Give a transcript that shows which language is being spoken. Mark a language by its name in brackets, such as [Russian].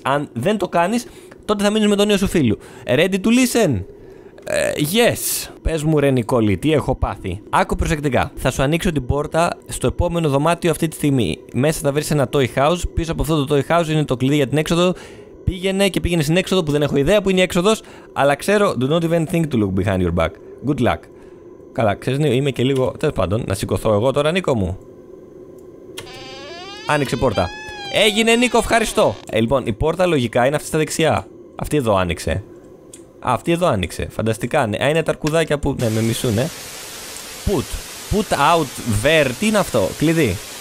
[Greek] Αν δεν το κάνεις, τότε θα μείνεις με τον νέο σου φίλο. [English] Ready to listen. Yes. [Greek] Πες μου ρε Νικόλη, τι έχω πάθει. Άκου προσεκτικά. Θα σου ανοίξω την πόρτα στο επόμενο δωμάτιο αυτή τη στιγμή. Μέσα θα βρεις ένα toy house. Πίσω από αυτό το toy house είναι το κλειδί για την έξοδο. Πήγαινε και πήγαινε στην έξοδο που δεν έχω ιδέα που είναι η έξοδος. Αλλά ξέρω, [English] do not even think to look behind your back. Good luck. [Greek] Καλά, ξέρεις Νίκο, είμαι και λίγο. Τέλος πάντων, να σηκωθώ εγώ τώρα, Νίκο μου. Άνοιξε πόρτα. Έγινε, Νίκο, ευχαριστώ. Λοιπόν, η πόρτα λογικά είναι αυτή στα δεξιά. Αυτή εδώ άνοιξε. Α, αυτή εδώ άνοιξε. Φανταστικά. Ναι. Α, είναι τα αρκουδάκια που. Ναι, με μισούνε. [English] Put. Put out there. [Greek] Τι είναι αυτό. Κλειδί.